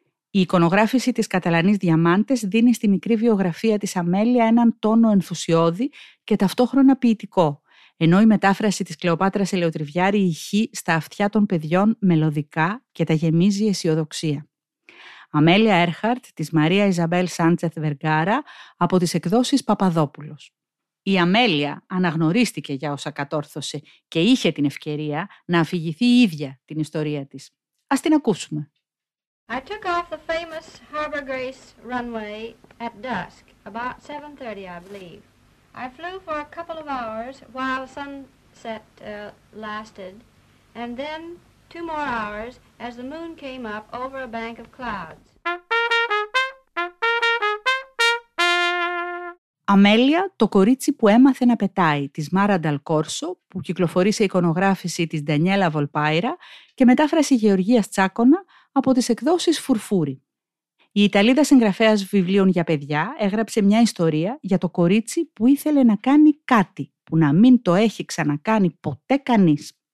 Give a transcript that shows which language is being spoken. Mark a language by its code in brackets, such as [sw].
[el] Η εικονογράφηση της Καταλανής Διαμάντες δίνει στη μικρή βιογραφία της Αμέλεια έναν τόνο ενθουσιώδη και ταυτόχρονα ποιητικό, ενώ η μετάφραση της Κλεοπάτρας Ελεοτριβιάρη ηχεί στα αυτιά των παιδιών μελωδικά και τα γεμίζει αισιοδοξία. Αμέλεια Έρχαρτ, της Μαρία Ιζαμπέλ Σάντσεθ Βεργκάρα, από τις εκδόσεις Παπαδόπουλος. Η Αμέλεια αναγνωρίστηκε για όσα κατόρθωσε και είχε την ευκαιρία να αφηγηθεί η ίδια την ιστορία της. Ας την ακούσουμε. [en] I took off the famous Harbor Grace runway at dusk, about 7:30, I believe. I flew for a couple of hours while sunset lasted, and then two more hours as the moon came up over a bank of clouds. [el] Αμέλεια, το κορίτσι που έμαθε να πετάει, της Μάρα Νταλκόρσο, που κυκλοφορεί σε εικονογράφηση της Ντανιέλα Βολπάιρα και μετάφραση Γεωργίας Τσάκωνα, από τις εκδόσεις Φουρφούρη. Η Ιταλίδα συγγραφέας βιβλίων για παιδιά έγραψε μια ιστορία για το κορίτσι που ήθελε να κάνει κάτι που να μην το έχει ξανακάνει ποτέ κανείς.